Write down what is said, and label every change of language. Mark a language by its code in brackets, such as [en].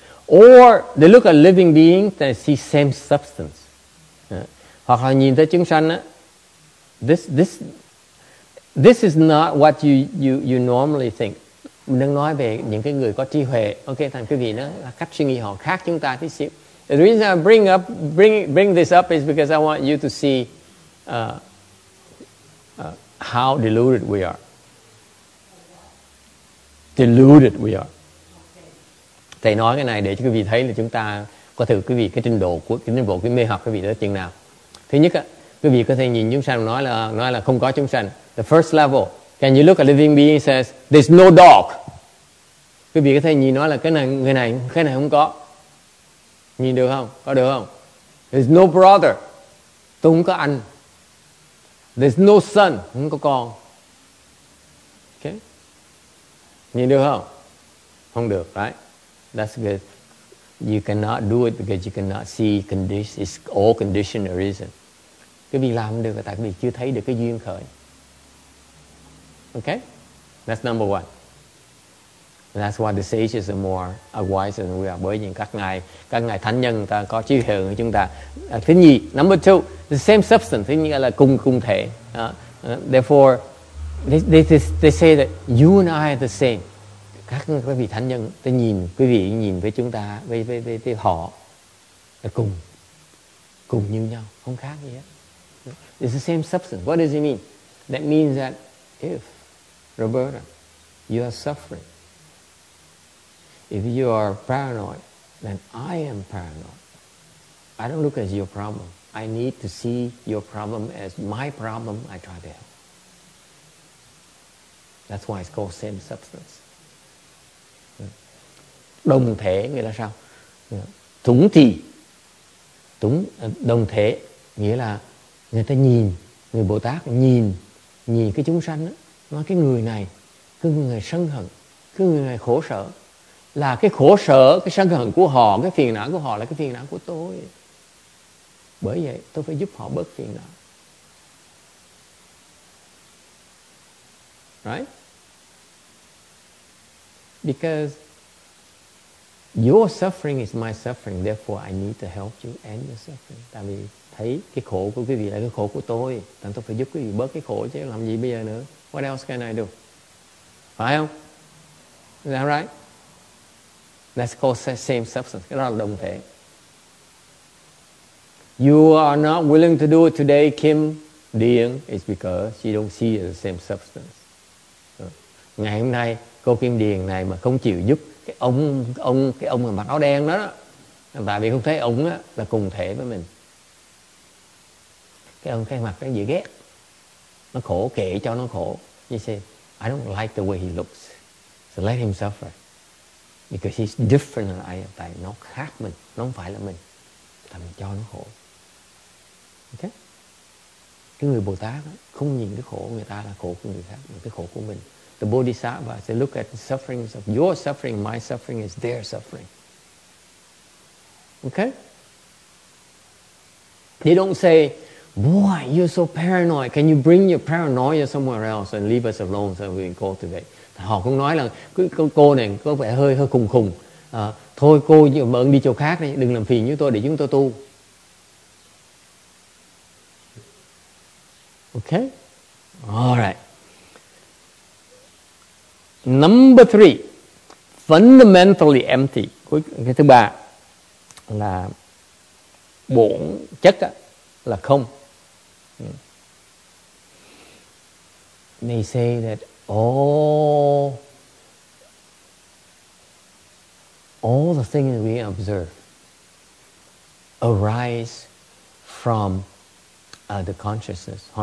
[en] Or they look at living beings and see same substance. [vi] Hoặc họ nhìn thấy chúng sanh, [en] this is not what you normally think. [vi] Mình đang nói về những cái người có trí huệ. Okay, thành quý vị, nó là cách suy nghĩ họ khác chúng ta tí xíu. [en] The reason I bring this up is because I want you to see how deluded we are. Deluded we are. [vi] Thầy nói cái này để cho quý vị thấy là chúng ta có thử quý vị cái trình độ của cái tiến bộ cái mê hoặc quý vị đó chừng nào. Thứ nhất á, quý vị có thể nhìn chúng sanh nói là không có chúng sanh. [en] The first level, can you look at living being says there's no dog. [vi] Quý vị có thể nhìn nói là cái này không có. Nhìn được không? Có được không? [en] There's no brother. [vi] Tôi không có anh. [en] There's no son. [vi] Không có con. Okay. Nhìn được không? Không được, [en] right? That's good. You cannot do it because you cannot see condition. It's all conditioned reason. [vi] Cái việc làm được là tại vì chưa thấy được cái duyên khởi. [en] Okay? That's number one. And that's why the sages are more wise than we are. [vi] Bởi vì các ngài thánh nhân người ta có trí huệ hơn chúng ta. Thứ nhì, [en] number two, the same substance. [vi] Thứ nhì là cùng thể. [en] Therefore, they say that you and I are the same. [vi] Các quý vị thánh nhân, tôi nhìn quý vị nhìn với chúng ta, với họ là cùng như nhau, không khác gì hết. [en] It's the same substance. What does it mean? That means that if Roberta, you are suffering, if you are paranoid, then I am paranoid. I don't look at your problem. I need to see your problem as my problem. I try to help. That's why it's called same substance. [vi] Đồng thể nghĩa là sao? Túng thì túng đồng thể nghĩa là người ta nhìn, người Bồ Tát nhìn cái chúng sanh đó, nói cái người này, cái người này sân hận, cái người này khổ sở, là cái khổ sở, cái sân hận của họ, cái phiền não của họ là cái phiền não của tôi. Bởi vậy tôi phải giúp họ bớt phiền não. [en] Right? Because your suffering is my suffering, therefore I need to help you end your suffering. [vi] Tại vì thấy cái khổ của quý vị là cái khổ của tôi, nên tôi phải giúp quý vị bớt cái khổ chứ làm gì bây giờ nữa. [en] What else can I do? [vi] Phải không? [en] Is that right? That's called same substance. [vi] Cái đó là đồng thể. [en] You are not willing to do it today, Kim Điền, it's because you don't see it as the same substance. [vi] Ngày hôm nay, cô Kim Điền này mà không chịu giúp cái ông mà mặc áo đen đó, tại vì không thấy ông á là cùng thể với mình, cái ông cái mặt nó dễ ghét, nó khổ, kệ cho nó khổ. [en] You say, I don't like the way he looks, so let him suffer because he's different than I am. [vi] Tại nó khác mình, nó không phải là mình, tại mình cho nó khổ. Okay, cái người Bồ Tát không nhìn cái khổ của người ta là khổ của người khác, mà cái khổ của mình. [en] The Bodhisattva, they look at the sufferings of your suffering, my suffering is their suffering. Okay? They don't say, boy, you're so paranoid. Can you bring your paranoia somewhere else and leave us alone so we can cultivate? [vi] Họ cũng nói là cô này có vẻ hơi cùng khùng. thôi cô bận đi chỗ khác đi, đừng làm phiền với tôi để chúng tôi tu. [en] Okay, all right. Number three, fundamentally empty. [vi] Cái thứ ba là bổn chất là không. [en] They say that all the things we observe arise from the consciousness.